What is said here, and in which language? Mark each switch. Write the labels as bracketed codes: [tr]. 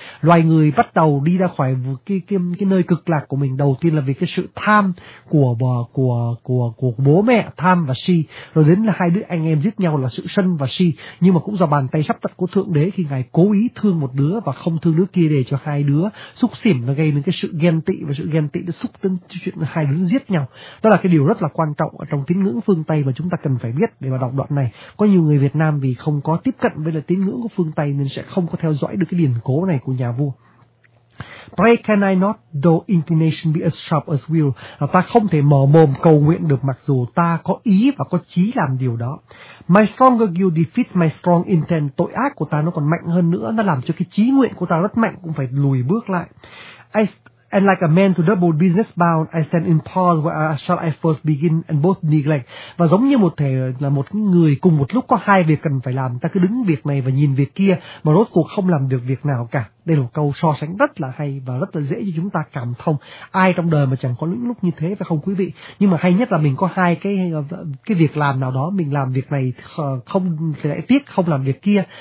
[vi] Loài người bắt đầu đi ra khỏi cái nơi cực lạc của mình, đầu tiên là vì cái sự tham của bố mẹ, tham và si, rồi đến là hai đứa anh em giết nhau là sự sân và si, nhưng mà cũng do bàn tay sắp đặt của thượng đế khi ngài cố ý thương một đứa và không thương đứa kia để cho hai đứa xúc xỉm, nó gây nên cái sự ghen tị, và sự ghen tị nó xúc đến chuyện hai đứa giết nhau. Đó là cái điều rất là quan trọng ở trong tín ngưỡng phương Tây mà chúng ta cần phải biết để mà đọc đoạn này. Có nhiều người Việt Nam vì không có tiếp cận với là tín ngưỡng của phương Tây nên sẽ không có theo dõi được cái điển cố này của nhà vua. [en] Pray can I not, though inclination be as sharp as will. [vi] Là ta không thể mở mồm cầu nguyện được mặc dù ta có ý và có chí làm điều đó. [en] My stronger will defeats my strong intent. [vi] Tội ác của ta nó còn mạnh hơn nữa, nó làm cho cái chí nguyện của ta rất mạnh cũng phải lùi bước lại. [en] And like a man to double business bound, I stand in pause where shall I first begin and both neglect. [vi] Và giống như một thể là một người cùng một lúc có hai việc cần phải làm, ta cứ đứng việc này và nhìn việc kia mà rốt cuộc không làm được việc nào cả. Đây là một câu so sánh rất là hay và rất là dễ cho chúng ta cảm thông. Ai trong đời mà chẳng có những lúc như thế phải không quý vị? Nhưng mà hay nhất là mình có hai cái việc làm nào đó, mình làm việc này không thì lại tiếc, không làm việc kia.